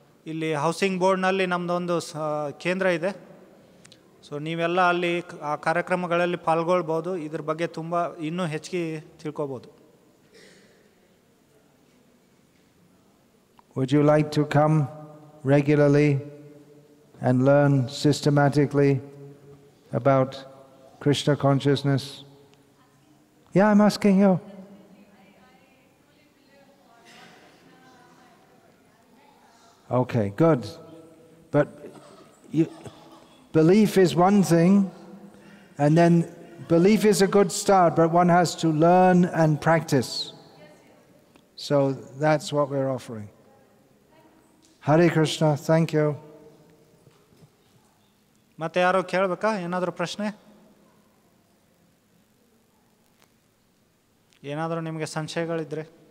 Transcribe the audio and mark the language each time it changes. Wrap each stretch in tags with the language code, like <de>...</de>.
<kn>ಇಲ್ಲಿ ಹೌಸಿಂಗ್ ಬೋರ್ಡ್ನಲ್ಲಿ ನಮ್ಮದೊಂದು ಕೇಂದ್ರ ಇದೆ. ಸೊ ನೀವೆಲ್ಲ ಅಲ್ಲಿ ಆ ಕಾರ್ಯಕ್ರಮಗಳಲ್ಲಿ ಪಾಲ್ಗೊಳ್ಬೋದು, ಇದ್ರ ಬಗ್ಗೆ ತುಂಬ ಇನ್ನೂ ಹೆಚ್ಚಿಗೆ ತಿಳ್ಕೊಬೋದು.</kn> <en>Would you like to come regularly and learn systematically about Krishna consciousness? Yeah, I'm asking you. Okay, good. But you, belief is one thing, and then belief is a good start, but one has to learn and practice. So that's what we're offering. Hare Krishna, thank you.</en> <kn>ಮತ್ತೆ ಯಾರೋ ಕೇಳಬೇಕಾ ಏನಾದರೂ ಪ್ರಶ್ನೆ? ಏನಾದರೂ ನಿಮಗೆ ಸಂಶಯಗಳಿದ್ರೆ?</kn>